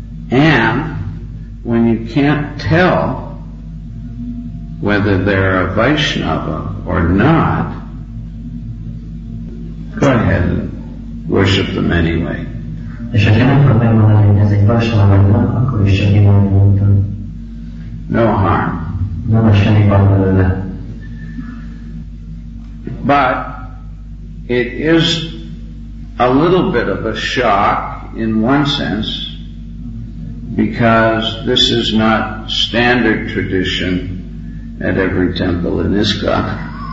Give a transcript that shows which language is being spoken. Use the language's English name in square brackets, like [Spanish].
[English] And when you can't tell whether they're a Vaishnava or not, go ahead and worship them anyway. [Hungarian] És ha nem tudom megmondani, hogy ez egy Vaishnava, akkor is csak én mondtam. [English] No harm. [Hungarian] Nem lesz semmi baj belőle. [English] But it is a little bit of a shock in one sense, because this is not standard tradition at every temple in ISKCON.